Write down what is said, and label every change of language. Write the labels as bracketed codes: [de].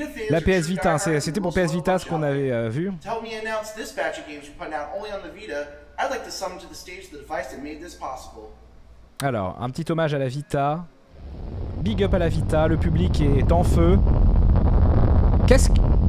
[fr] La PS Vita, c'était pour PS Vita ce qu'on avait vu. [en] Tell me announce this batch of games we're putting out only on the Vita. I'd like to summon to the stage the device that made this possible. [fr] Alors, un petit hommage à la Vita. Big up à la Vita, le public est en feu. Qu'est-ce que...